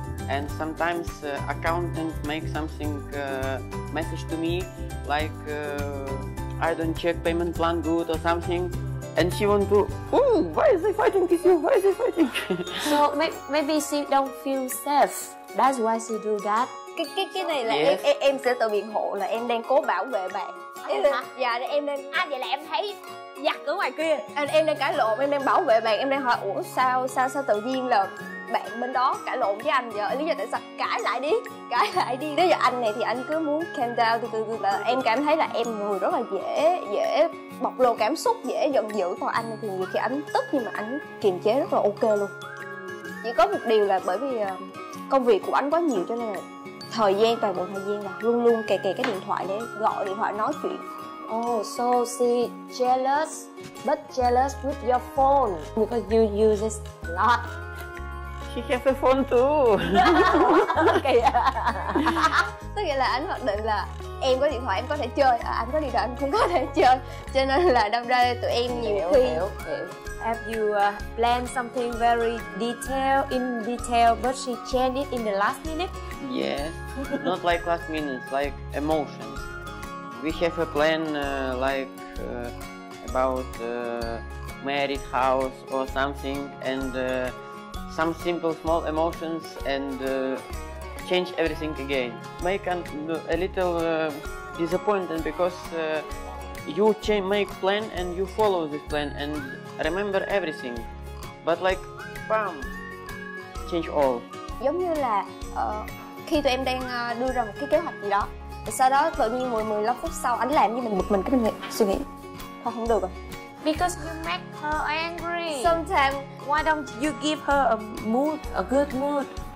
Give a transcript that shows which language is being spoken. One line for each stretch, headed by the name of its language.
English: And sometimes accountant make something message to me like I don't check payment plan good or something, and she want to why is he fighting with you, why is he fighting? So maybe she don't feel safe, that's why she do that.
Vietnamese: Cái này là yes. em sẽ tự biện hộ là em đang cố bảo vệ bạn. Dạ, em đang vậy là em thấy giặc ở ngoài kia, anh em đang cãi lộn, em đang bảo vệ bạn, em đang hỏi ủa sao tự nhiên là bạn bên đó cãi lộn với anh vậy, lý do tại sao? Cãi lại đi. Nếu giờ anh này thì anh cứ muốn
English: calm down
Vietnamese: từ từ, là em cảm thấy là em người rất là dễ bộc lộ cảm xúc, dễ giận dữ. Còn anh này thì nhiều khi anh tức nhưng mà anh kiềm chế rất là ok luôn. Chỉ có một điều là bởi vì công việc của anh quá nhiều cho nên là thời gian, toàn bộ thời gian là luôn luôn kè cái điện thoại để gọi điện thoại nói chuyện.
English: Oh, so she jealous, but jealous with your phone because you use it a lot. She has a phone too. Okay.
Vietnamese: Tức nghĩa là anh hoạch định là em có điện thoại em có thể chơi, anh có điện thoại anh cũng có thể chơi. Cho nên là đâm ra tụi em nhiều khi
English: have you planned something very detail, but she changed it in the last minute? Yeah, not like last minute, like emotions. We have a plan like about married house or something, and some simple small emotions and change everything again. Make a little disappointment because you make plan and you follow this plan and remember everything. But like, bam, change all.
Vietnamese: Giống như là khi tụi em đang đưa ra một cái kế hoạch gì đó, sau đó tự nhiên 10-15 phút sau anh làm như mình bực mình, cái mình suy nghĩ, thôi không được rồi.
English: Because you make her angry. Sometimes, why don't you give her a mood, a good mood?